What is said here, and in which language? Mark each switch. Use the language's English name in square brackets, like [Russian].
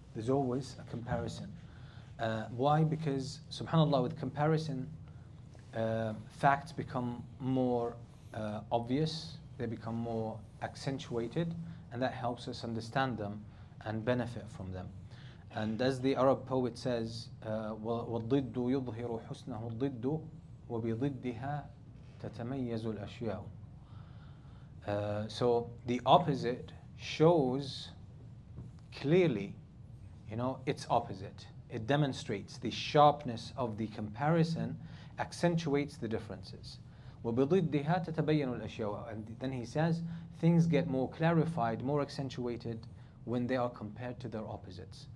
[English] There's always a comparison. Why? Because, subhanAllah, with comparison, facts become more obvious, they become more accentuated, and that helps us understand them and benefit from them. And as the Arab poet says, [Arabic] وَالضِّدُّ يُظْهِرُ حُسْنَهُ الضِّدُّ وَبِضِدِّهَا تَتَمَيَّزُ الْأَشْيَاءُ. [English] So the opposite shows clearly, you know, its opposite. It demonstrates the sharpness of the comparison, accentuates the differences. [Arabic] وَبِضِدِّهَا تَتَبَيَّنُ الْأَشْيَاءُ. [English] And then he says, things get more clarified, more accentuated when they are compared to their opposites.